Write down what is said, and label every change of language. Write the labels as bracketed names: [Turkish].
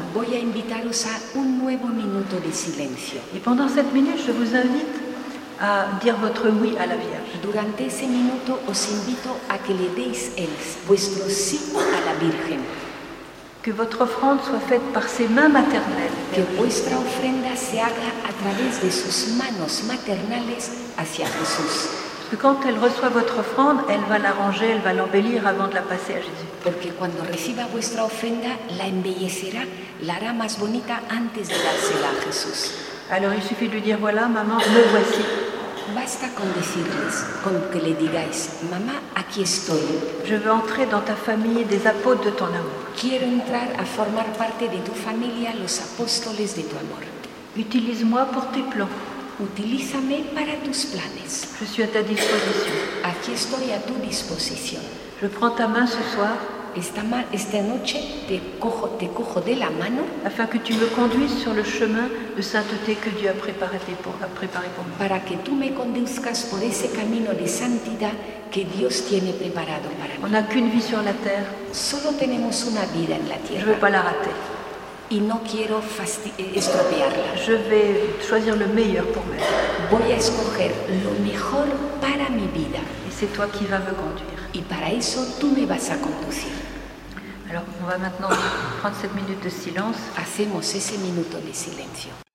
[Spanish] Voy a invitaros a un nuevo minuto de silencio. [French] Et pendant cette minute, je vous invite à dire votre oui à la Vierge. [Spanish] Durante ese minuto, os invito a que le deis el vuestro sí a la Virgen. [French] Que votre offrande soit faite par ses mains maternelles. [Spanish] Que vuestra ofrenda se haga a través de sus manos maternales hacia Jesús. [French] Parce que quand elle reçoit votre offrande, elle va l'arranger, elle va l'embellir avant de la passer à Jésus. [Spanish] Porque cuando reciba vuestra ofrenda, la embellecerá, la hará más bonita antes de dársela a Jesús. [French] Alors il suffit de lui dire, voilà, maman, me voici. [Spanish] Basta con decirles, con que le digáis, mamá, aquí estoy. [French] Je veux entrer dans ta famille des apôtres de ton amour. [Spanish] Quiero entrar a formar parte de tu familia, los apóstoles de tu amor. [French] Utilise-moi pour tes plans. [Spanish] Utilízame para tus planes. [French] Je suis à ta disposition. [Spanish] Aquí estoy a tu disposición. [French] Je prends ta main ce soir. [Spanish] Esta noche te cojo de la mano. [French] Afin que tu me conduises sur le chemin de sainteté que Dieu a préparé pour moi. [Spanish] Para que tú me conduzcas por ese camino de santidad que Dios tiene preparado para mí. [French] On n'a qu'une vie sur la terre. [Spanish] Solo tenemos una vida en la tierra. [French] Je veux pas la rater. [Spanish] Y no quiero estropearla. [French] Je vais choisir le meilleur pour moi. [Spanish] Voy a escoger lo mejor para mi vida. [French] Et c'est toi qui vas me conduire. [Spanish] Y para eso tú me vas a conducir. [French] Alors, on va maintenant prendre cette minute de silence. [Spanish] Hacemos ese minuto de silencio.